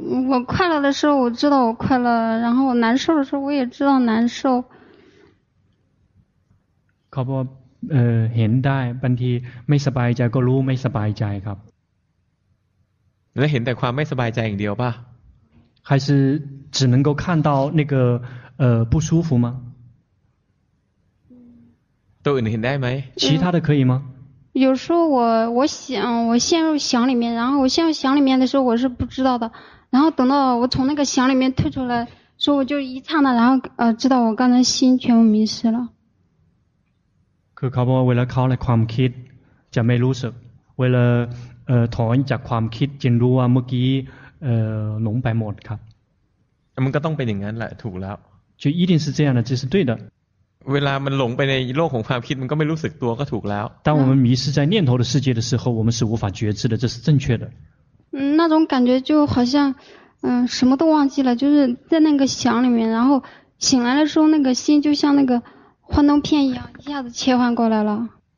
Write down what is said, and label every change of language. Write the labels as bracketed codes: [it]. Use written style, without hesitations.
[zh] 我快乐的时候我知道我快乐然后我难受的时候我也知道难受 [th] ครับเห็นได้บางทีไม่สบายใจก็รู้ไม่สบายใจครับ และเห็นแต่ความไม่สบายใจอย่างเดียวป่ะ [zh] 还是只能够看到那个不舒服吗都有人带没其他的可以吗有时候我想我陷入想里面然后我陷入想里面的时候我是不知道的然后等到我从那个想里面退出来所以我就一刹那然后知道我刚才心全部迷失了 [th] คือเขาบอกเวลาเขาในความคิดจะไม่รู้สึกเวลาถอนจากความคิดจึงรู้ว่าเมื่อกี้หลงไปหมดครับ มันก็ต้องเป็นอย่างนั้นแหละถูกแล้ว [zh] 就一定是这样的这是对的 [th] เวลามันหลงไปในโลกของความคิดมันก็ไม่รู้สึกตัวก็ถูกแล้ว [zh] 当我们迷失在念头的世界的时候我们是无法觉知的这是正确的那种感觉就好像什么都忘记了就是在那个想里面然后醒来的时候那个心就像那个幻灯片一样一下子切换过来了